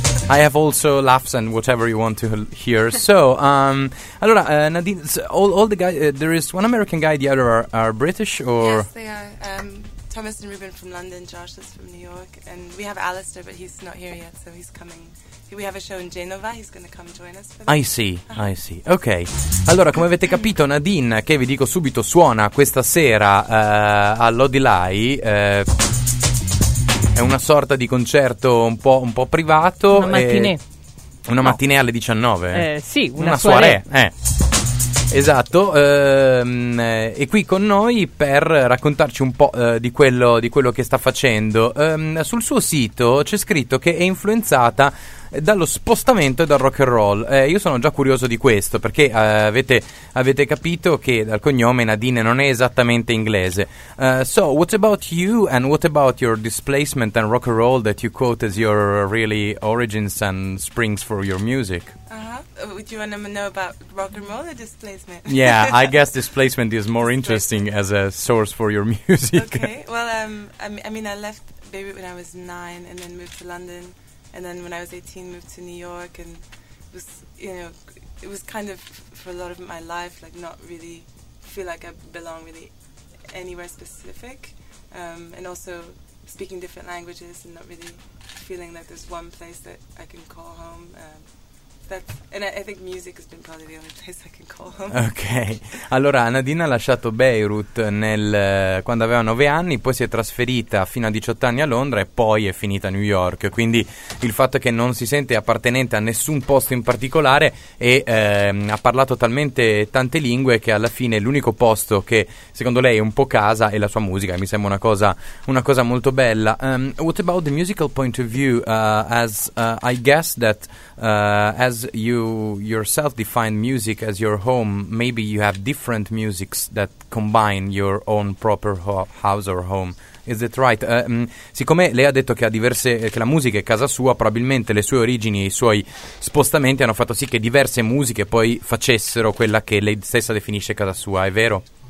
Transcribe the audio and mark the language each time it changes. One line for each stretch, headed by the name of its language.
English: I have also laughs and whatever you want to hear. So, allora, Nadine, all the guys, there is one American guy, the other are British, or? Yes, they are. Thomas and Ruben from London, Josh is from New York, and we have Alistair, but he's not here yet, so he's coming. We have a show in Genova, he's going to come join us for that. I see, ok.
Italian: Allora, come avete capito, Nadine, che vi dico subito, suona questa sera all'Odilai. È una sorta di concerto un po' privato. Una mattinée alle 19. Sì, una soirée. Esatto, è qui con noi per raccontarci un po' di quello che sta facendo. Sul suo sito c'è scritto che è influenzata dallo spostamento e dal rock and roll. Io sono già curioso di questo, perché avete capito che dal cognome Nadine non è esattamente inglese.
English: So, what about you and what about your displacement and rock and roll that you quote as your really origins and springs for your music? Would you want to know about rock and roll or displacement? Yeah, I guess displacement is more interesting as a source for your music. Okay, well, I mean, I left Beirut when I was 9 and then moved to London. And then when I was 18, moved to New York. And it was kind of, for a lot of my life, like not really feel like I belong really anywhere specific. And also speaking different languages and not really feeling like there's one place that I can call home. I think music has been probably the only place I can call home. Okay.
Italian: Allora, Nadine ha lasciato Beirut quando aveva 9 anni, poi si è trasferita fino a 18 anni a Londra e poi è finita a New York. Quindi il fatto che non si sente appartenente a nessun posto in particolare e ha parlato talmente tante lingue che alla fine l'unico posto che secondo lei è un po' casa è la sua musica. Mi sembra una cosa molto bella.
English: What about the musical point of view? As you yourself define music as your home, maybe you have different musics that combine your own proper house or home. Is that right?
Italian: Siccome lei ha detto che ha diverse, che la musica è casa sua, probabilmente le sue origini e i suoi spostamenti hanno fatto sì che diverse musiche poi facessero quella che lei stessa definisce casa sua, è vero?